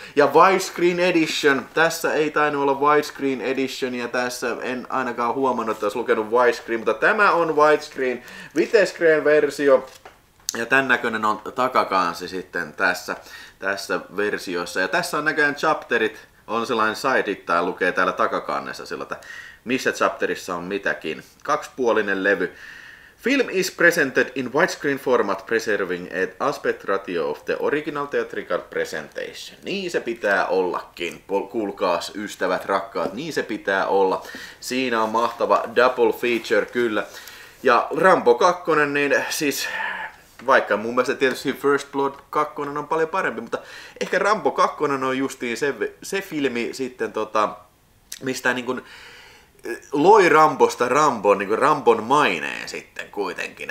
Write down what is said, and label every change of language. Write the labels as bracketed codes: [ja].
[fi] Ja widescreen edition, tässä ei tainnut olla widescreen edition ja tässä en ainakaan huomannut, että olisi lukenut widescreen, mutta tämä on widescreen, widescreen versio. Ja tämän näköinen on takakansi sitten tässä versiossa. Ja tässä on näköjään chapterit, on sellainen side, tämä lukee täällä takakannessa sillä, että missä chapterissa on mitäkin. Kaksipuolinen levy. [en] Film is presented in widescreen format preserving an aspect ratio of the original theatrical presentation. [fi] Niin se pitää ollakin, kuulkaas ystävät, rakkaat, niin se pitää olla. Siinä on mahtava double feature, kyllä. Ja Rambo 2, niin siis. Vaikka mun mielestä tietysti First Blood 2 on paljon parempi, mutta ehkä Rambo 2 on justiin se filmi sitten, mistä niin kuin loi Rambosta Rambon, niin kuin Rambon maineen sitten kuitenkin.